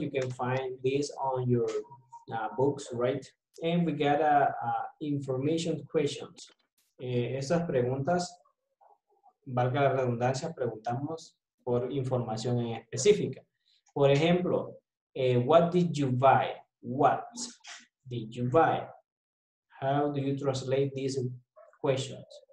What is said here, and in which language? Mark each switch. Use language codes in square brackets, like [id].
[en] You can find this on your books, right? And we got information questions. [es] Estas preguntas, valga la redundancia, preguntamos por información en específica. Por ejemplo, [en] what did you buy? What did you buy? How do you translate these questions?